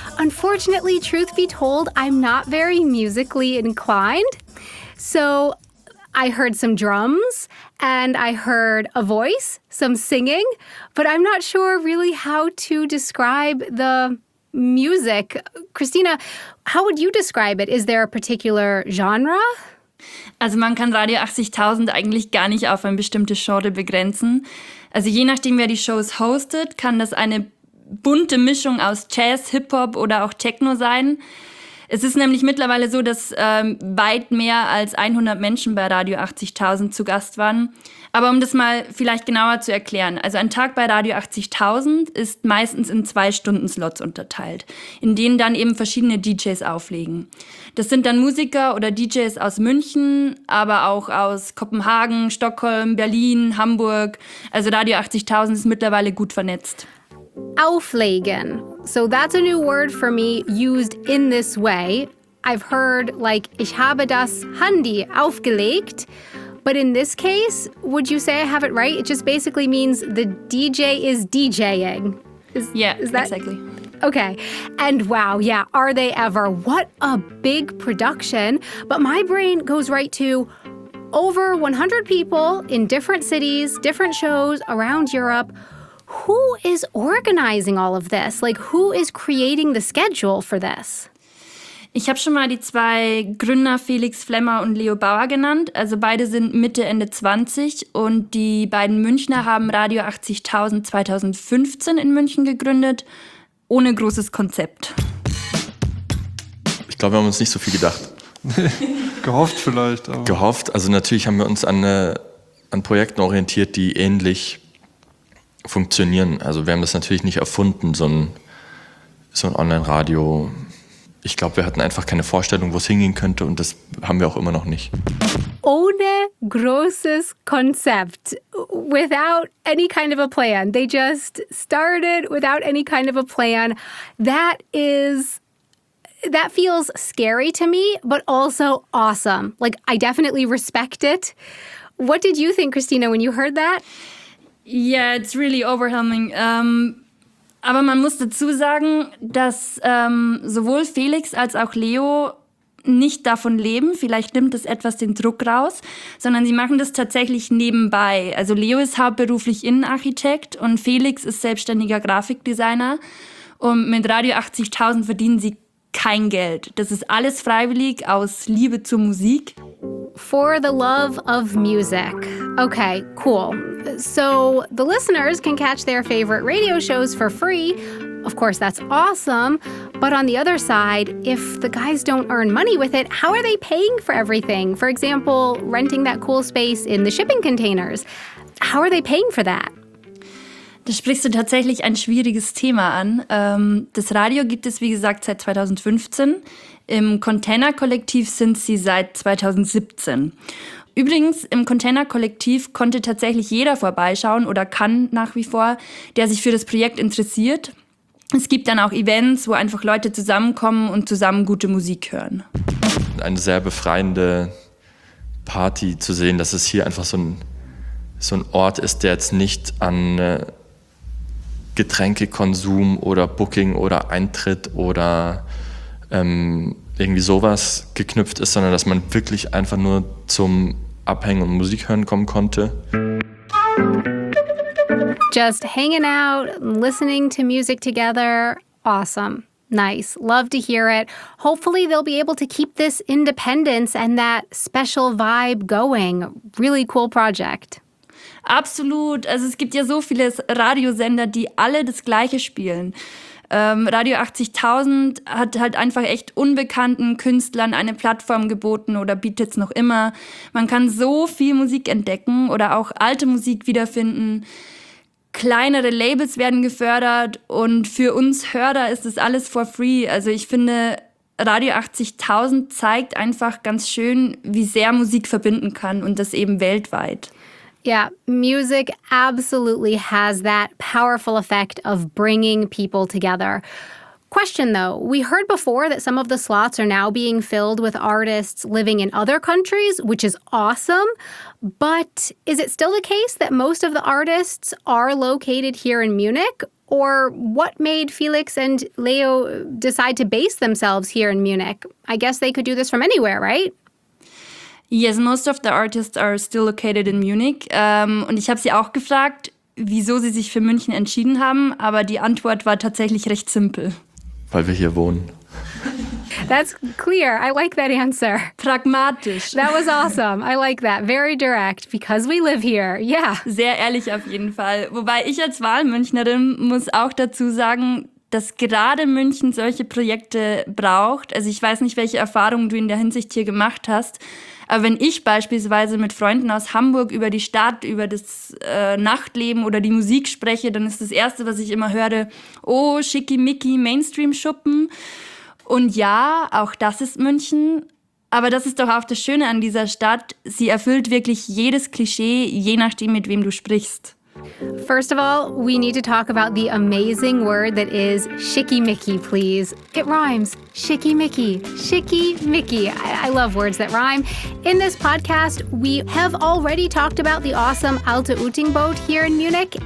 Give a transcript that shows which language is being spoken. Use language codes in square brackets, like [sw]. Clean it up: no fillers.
[en] Unfortunately, truth be told, I'm not very musically inclined. So I heard some drums and I heard a voice, some singing, but I'm not sure really how to describe the music. Christina, how would you describe it? Is there a particular genre? [de] Also man kann Radio 80.000 eigentlich gar nicht auf ein bestimmtes Genre begrenzen. Also je nachdem, wer die Shows hostet, kann das eine bunte Mischung aus Jazz, Hip-Hop oder auch Techno sein. Es ist nämlich mittlerweile so, dass weit mehr als 100 Menschen bei Radio 80.000 zu Gast waren. Aber um das mal vielleicht genauer zu erklären. Also ein Tag bei Radio 80.000 ist meistens in 2-Stunden-Slots unterteilt, in denen dann eben verschiedene DJs auflegen. Das sind dann Musiker oder DJs aus München, aber auch aus Kopenhagen, Stockholm, Berlin, Hamburg. Also Radio 80.000 ist mittlerweile gut vernetzt. Auflegen. [en] So that's a new word for me used in this way. I've heard like, [de] ich habe das Handy aufgelegt. [en] But in this case, would you say I have it right? It just basically means the DJ is DJing. Exactly. Okay. And wow, yeah, are they ever? What a big production. But my brain goes right to over 100 people in different cities, different shows around Europe. Who is organizing all of this? Like, who is creating the schedule for this? [de] Ich habe schon mal die zwei Gründer Felix Flemmer und Leo Bauer genannt. Also beide sind Mitte, Ende 20 und die beiden Münchner haben Radio 80.000 2015 in München gegründet, ohne großes Konzept. Ich glaube, wir haben uns nicht so viel gedacht. Gehofft vielleicht. Aber. Gehofft. Also natürlich haben wir uns an Projekten orientiert, die ähnlich funktionieren. Also wir haben das natürlich nicht erfunden, so ein Online-Radio ich glaube, wir hatten einfach keine Vorstellung, wo es hingehen könnte und das haben wir auch immer noch nicht. Ohne großes Konzept, [en] without any kind of a plan. They just started without any kind of a plan. That feels scary to me, but also awesome. Like, I definitely respect it. What did you think, Christina, when you heard that? Yeah, it's really overwhelming. [de] Aber man muss dazu sagen, dass sowohl Felix als auch Leo nicht davon leben. Vielleicht nimmt das etwas den Druck raus, sondern sie machen das tatsächlich nebenbei. Also Leo ist hauptberuflich Innenarchitekt und Felix ist selbstständiger Grafikdesigner. Und mit Radio 80.000 verdienen sie kein Geld. Das ist alles freiwillig aus Liebe zur Musik. [en] For the love of music. Okay, cool. So the listeners can catch their favorite radio shows for free. Of course, that's awesome. But on the other side, if the guys don't earn money with it, how are they paying for everything? For example, renting that cool space in the shipping containers. How are they paying for that? [de] Da sprichst du tatsächlich ein schwieriges Thema an. Das Radio gibt es, wie gesagt, seit 2015. Im Container-Kollektiv sind sie seit 2017. Übrigens, im Container-Kollektiv konnte tatsächlich jeder vorbeischauen oder kann nach wie vor, der sich für das Projekt interessiert. Es gibt dann auch Events, wo einfach Leute zusammenkommen und zusammen gute Musik hören. Eine sehr befreiende Party zu sehen, dass es hier einfach so ein Ort ist, der jetzt nicht an Getränkekonsum oder Booking oder Eintritt oder irgendwie sowas geknüpft ist, sondern dass man wirklich einfach nur zum Abhängen und Musik hören kommen konnte. [en] Just hanging out, listening to music together. Awesome. Nice. Love to hear it. Hopefully they'll be able to keep this independence and that special vibe going. Really cool project. [de] Absolut. Also es gibt ja so viele Radiosender, die alle das Gleiche spielen. Radio 80.000 hat halt einfach echt unbekannten Künstlern eine Plattform geboten oder bietet es noch immer. Man kann so viel Musik entdecken oder auch alte Musik wiederfinden. Kleinere Labels werden gefördert und für uns Hörer ist es alles [en] for free. [de] Also ich finde, Radio 80.000 zeigt einfach ganz schön, wie sehr Musik verbinden kann und das eben weltweit. [en] Yeah, music absolutely has that powerful effect of bringing people together. Question though, we heard before that some of the slots are now being filled with artists living in other countries, which is awesome. But is it still the case that most of the artists are located here in Munich? Or what made Felix and Leo decide to base themselves here in Munich? I guess they could do this from anywhere, right? Yes, most of the artists are still located in Munich. [de] Und ich habe sie auch gefragt, wieso sie sich für München entschieden haben. Aber die Antwort war tatsächlich recht simpel. Weil wir hier wohnen. [en] That's clear. I like that answer. [de] Pragmatisch. [en] That was awesome. I like that. Very direct. Because we live here. Yeah. [de] Sehr ehrlich auf jeden Fall. Wobei ich als Wahlmünchnerin muss auch dazu sagen, dass gerade München solche Projekte braucht. Also ich weiß nicht, welche Erfahrungen du in der Hinsicht hier gemacht hast. Aber wenn ich beispielsweise mit Freunden aus Hamburg über die Stadt, über das Nachtleben oder die Musik spreche, dann ist das Erste, was ich immer höre, oh, schickimicki Mainstream-Schuppen. Und ja, auch das ist München. Aber das ist doch auch das Schöne an dieser Stadt. Sie erfüllt wirklich jedes Klischee, je nachdem, mit wem du sprichst. [en] First of all, we need to talk about the amazing word that is schickimicki, please. It rhymes. Schickimicki. Schickimicki. I love words that rhyme. In this podcast, we have already talked about the awesome Alte Uting boat here in Munich.